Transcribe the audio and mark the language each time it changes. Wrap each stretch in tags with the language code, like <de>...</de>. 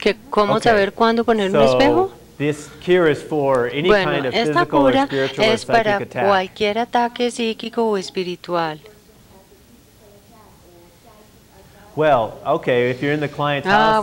<es>¿Cómo saber cuándo poner un espejo?</es> <en>This cure is for any kind of physical or spiritual attack.</en> <es>Bueno, esta cura es para cualquier ataque psíquico o espiritual.</es> <en>Well, okay, if you're in the client's house</en>